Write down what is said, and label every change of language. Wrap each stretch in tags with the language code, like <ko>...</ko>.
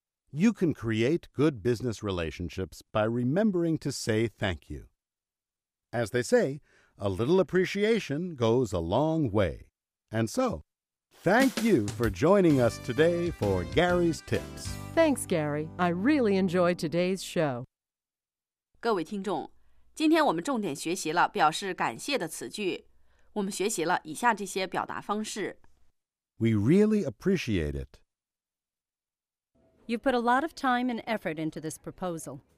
<en>You can create good business relationships by remembering to say thank you. As they say, a little appreciation goes a long way. And so, thank you for joining us today for Gary's Tips. Thanks, Gary. I really enjoyed today's show.</en> <zh>各位听众，今天我们重点学习了表示感谢的词句。我们学习了以下这些表达方式。</zh> <en>We really appreciate it. You've put a lot of time and effort into this proposal.</en>